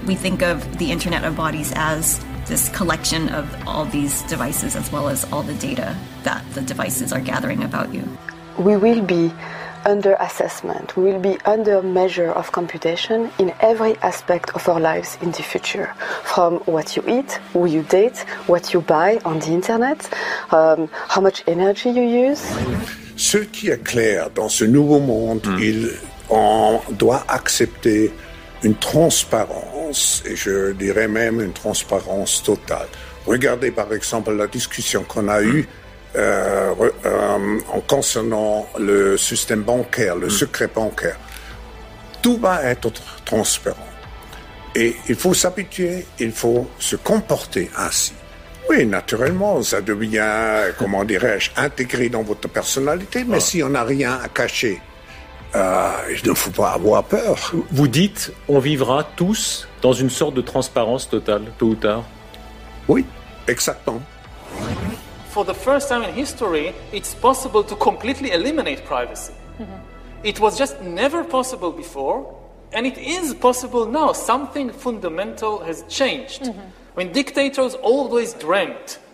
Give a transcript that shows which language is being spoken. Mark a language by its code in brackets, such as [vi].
[en] We think of the Internet of Bodies as this collection of all these devices as well as all the data that the devices are gathering about you. We will be under assessment. We will be under measure of computation in every aspect of our lives in the future. From what you eat, who you date, what you buy on the internet, how much energy you use. [fr] Ce qui est clair dans ce nouveau monde, on doit accepter une transparence, et je dirais même une transparence totale. Regardez par exemple la discussion qu'on a eue en concernant le système bancaire, le secret bancaire. Tout va être transparent. Et il faut s'habituer, il faut se comporter ainsi. Oui, naturellement, ça devient, comment dirais-je, intégré dans votre personnalité. Mais si on n'a rien à cacher, il ne faut pas avoir peur. Vous dites, on vivra tous dans une sorte de transparence totale, tôt ou tard. Oui, exactement. [en] For the first time in history, it's possible to completely eliminate privacy. It was just never possible before, and it is possible now. Something fundamental has changed. When dictators always dreamt